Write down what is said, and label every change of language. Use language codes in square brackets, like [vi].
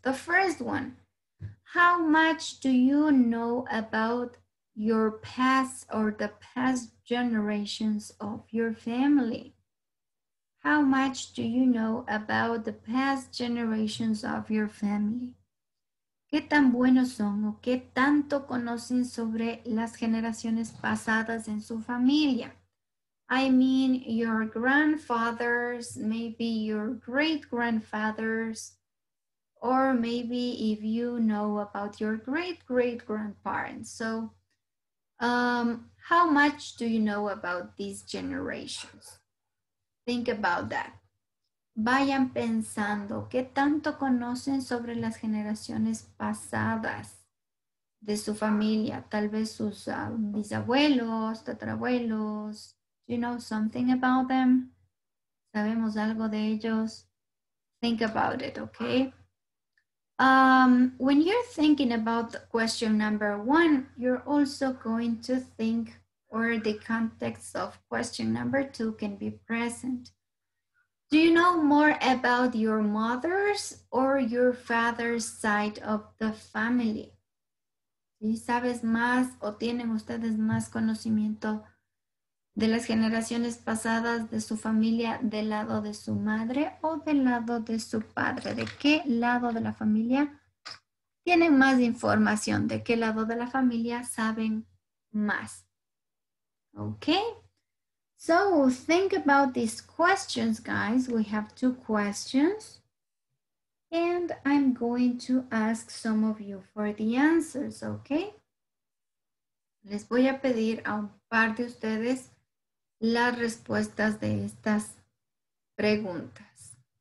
[en] The first one, how much do you know about your past or the past generations of your family? How much do you know about the past generations of your family? [es] ¿Qué tan buenos son o qué tanto conocen sobre las generaciones pasadas en su familia? [en] I mean, your grandfathers, maybe your great grandfathers, or maybe if you know about your great great grandparents. So, how much do you know about these generations? Think about that. [es] Vayan pensando, ¿qué tanto conocen sobre las generaciones pasadas de su familia? Tal vez sus bisabuelos, tatarabuelos. [en] You know something about them? [es] ¿Sabemos algo de ellos? [en] Think about it, okay? When you're thinking about question number one, you're also going to think where the context of question number two can be present. Do you know more about your mother's or your father's side of the family? [es] ¿Y sabes más o tienen ustedes más conocimiento de las generaciones pasadas de su familia del lado de su madre o del lado de su padre? ¿De qué lado de la familia tienen más información? ¿De qué lado de la familia saben más? [en] Okay. So think about these questions, guys. We have two questions. And I'm going to ask some of you for the answers, okay? [es] Les voy a pedir a un par de ustedes las respuestas de estas preguntas.